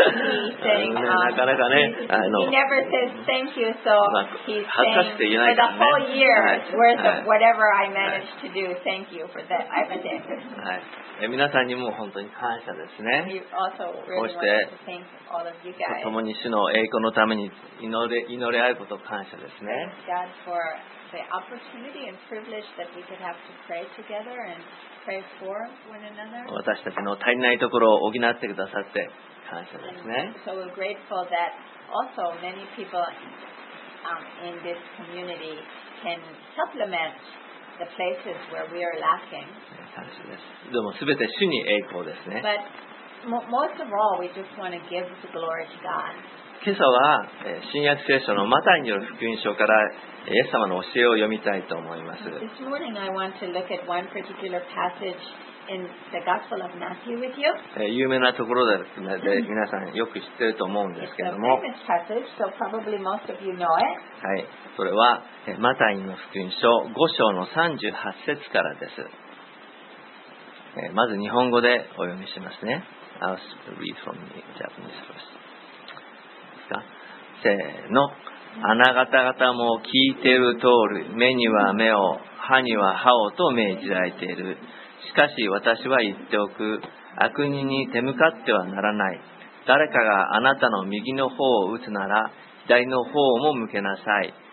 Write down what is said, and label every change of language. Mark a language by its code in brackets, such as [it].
[ja] なかなかね、 [en] He never says thank you, so he's saying for the whole year worth of whatever I managed to do, thank you for that. I was there. [ja] 皆さんにも本当に感謝ですね。こうして共に主の栄光のために祈り合うこと感謝ですね。 [en] God for the opportunity and privilege that we could have to pray together and pray for one another. [ja] 私たちの足りないところを補ってくださって。ね、 [en] so we're grateful that also many people in this community can supplement the places where we are lacking. [ja] でも全て主に栄光ですね。 [en] But most of all, we just want to give the glory to God. [ja] 今朝は新約聖書のマタイによる福音書からイエス様の教えを読みたいと思います。 [en] This morning, I want to look at one particular passage. In the Gospel of Matthew with you. [ja] 有名なところですので皆さんよく知ってると思うんですけども [en] It's a famous passage, so probably most of you know it. [ja] はい、それはマタイの福音書5章の38節からです。まず日本語でお読みしますね。 [en] I'll read from the Japanese first. [ja] せーの。あなた方も聞いている通り、目には目を、歯には歯をと命じられている。しかし私は言っておく、悪人に手向かってはならない。誰かがあなたの右の方を打つなら、左の方も向けなさい。